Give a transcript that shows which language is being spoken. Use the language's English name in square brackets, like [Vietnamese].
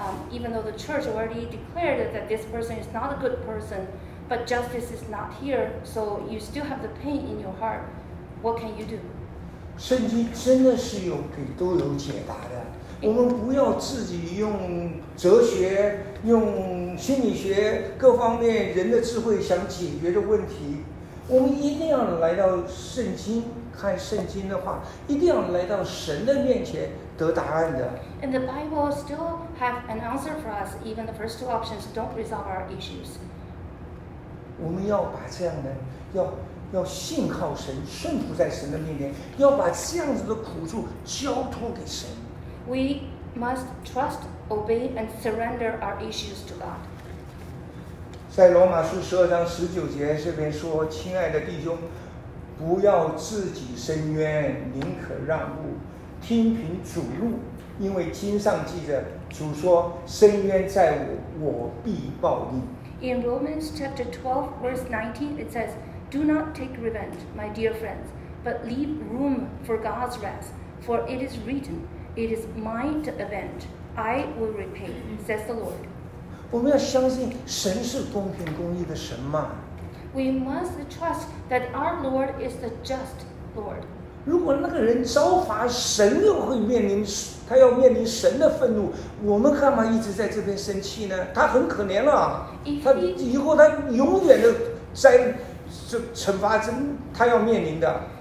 [English] Even though the church already declared that this person is not a good person, but justice is not here, so you still have the pain in your heart. What can you do? [Chinese] 圣经真的是有给都有解答的。我们不要自己用哲学、用心理学各方面人的智慧想解决的问题。我们一定要来到圣经，看圣经的话，一定要来到神的面前得答案的。 [English] And the Bible still have an answer for us, even the first two options don't resolve our issues. [Chinese] 我们要把这样的，要信靠神，顺服在神的面前，要把这样子的苦处交托给神。 [English] We must trust, obey, and surrender our issues to God. [Chinese] 在罗马书十二章十九节这边说，亲爱的弟兄，不要自己伸冤，宁可让步，听凭主怒。因为经上记着，主说：“伸冤在我，我必报应。” [English] In Romans chapter 12, verse 19, it says, "Do not take revenge, my dear friends, but leave room for God's wrath. For it is written, 'It is mine to avenge; I will repay,' says the Lord." [Chinese] 我们要相信神是公平公义的神吗？ [English] We must trust that our Lord is the just Lord. [Chinese] 如果那个人遭罚，神又会面临。他要面临神的愤怒，我们干嘛一直在这边生气呢？他很可怜了，他以后他永远的在这惩罚真他要面临的。